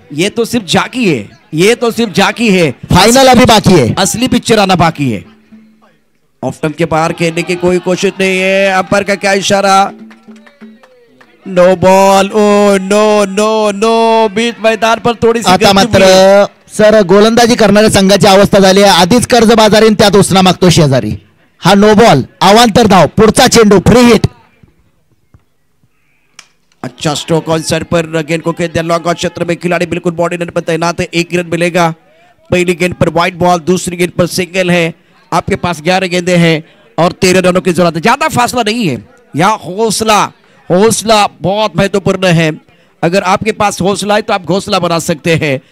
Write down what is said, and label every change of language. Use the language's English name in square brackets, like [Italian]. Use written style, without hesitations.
[Hindi] ये तो सिर्फ झाकी है, ये तो सिर्फ झाकी है, फाइनल अभी बाकी है, असली पिक्चर आना बाकी है। ऑफ टर्न के बाहर खेलने की कोई कोशिश नहीं है, अंपायर का क्या इशारा, no ball, oh no no no, बीच मैदान पर थोड़ी सी [Marathi] आता मात्र सर गोलंदाजी करणाऱ्या संघाची अवस्था झाली आहे, आधीच कर्ज बाजारी त्यात उसना मागतो शेजारी, हा नो बॉल अवांतर धाव, पुढचा चेंडू फ्री हिट। [Hindi] अच्छा स्ट्रोक ऑन साइड पर गेंद को खेल दिया, लॉन्ग आउट क्षेत्र में खिलाड़ी बिल्कुल बॉडी नेट पर तैनात है, एक रन मिलेगा। पहली गेंद पर व्हाइट बॉल, दूसरी गेंद पर सिंगल है, आपके पास 11 गेंदे हैं और 13 रनों की जरूरत है, ज्यादा फासला नहीं है। यहाँ हौसला, हौसला बहुत महत्वपूर्ण है, अगर आपके पास हौसला है तो आप घोसला बना सकते हैं।